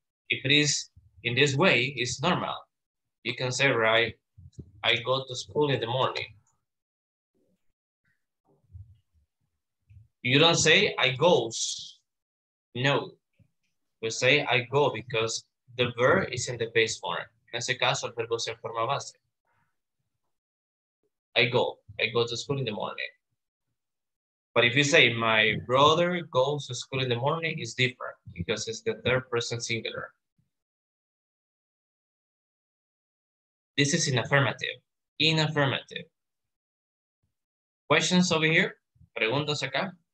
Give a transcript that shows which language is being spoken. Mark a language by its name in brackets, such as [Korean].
[English] If it is in this way, it's normal. You can say, right, I go to school in the morning. You don't say I goes. No. We say I go because the verb is in the base form. [Spanish] En ese caso, el verbo es en forma base. [English] I go to school in the morning. But if you say my brother goes to school in the morning, it's different because it's the third person singular. This is in affirmative. In affirmative. Questions over here? [Spanish] Preguntas acá?